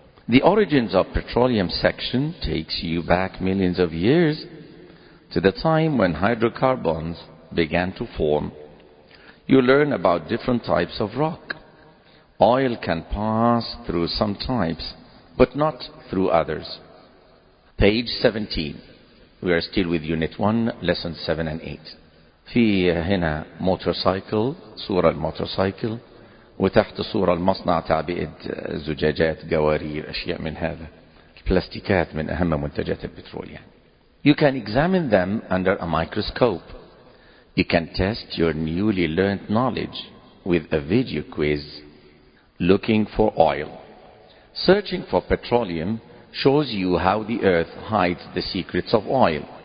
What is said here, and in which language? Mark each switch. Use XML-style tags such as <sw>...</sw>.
<en>The origins of petroleum section takes you back millions of years to the time when hydrocarbons began to form. You learn about different types of rock. Oil can pass through some types, but not through others. Page 17. We are still with Unit 1, Lesson 7 and 8.</en> <ar>في هنا motorcycle, صورة الموتورسايكل وتحت صورة المصنع تعبئة زجاجات قوارير أشياء من هذا البلاستيكات من أهم منتجات البترولية.</ar> <en>You can examine them under a microscope. You can test your newly learned knowledge with a video quiz. Looking for oil. Searching for petroleum shows you how the earth hides the secrets of oil.</en>